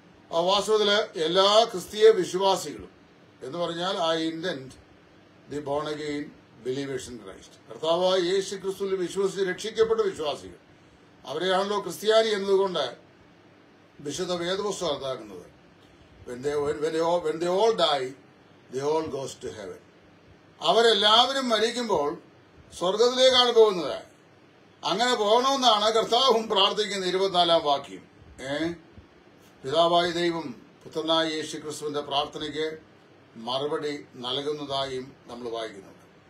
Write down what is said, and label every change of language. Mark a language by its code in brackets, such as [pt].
[ml] ആ വാസ്തവത്തില് എല്ലാ ക്രിസ്തീയ വിശ്വാസികളും എന്ന് പറഞ്ഞാൽ [en] I intend the born again believers in Christ, [ml] കർത്താവായ യേശു ക്രിസ്തുവിൽ വിശ്വസിച്ച് രക്ഷിക്കപ്പെട്ട വിശ്വാസികൾ, അവരെയാണല്ലോ ക്രിസ്ത്യാനി എന്നതുകൊണ്ട് വിശുദ്ധ വേദപുസ്തകം അർത്ഥമാക്കുന്നത്. [en] When they all die, they all go to heaven. [ml] അവരെല്ലാവരും മരിക്കുമ്പോൾ സ്വർഗത്തിലേക്കാണ് പോകുന്നത്. അങ്ങനെ പോകണമെന്നാണ് കർത്താവും പ്രാർത്ഥിക്കുന്ന 24 വാക്യം. പിതാവായ ദൈവം പുത്രനായ യേശു ക്രിസ്തുവിന്റെ പ്രാർത്ഥനയ്ക്ക് മറുപടി നൽകുന്നതായും നമ്മൾ വായിക്കുന്നുണ്ട്.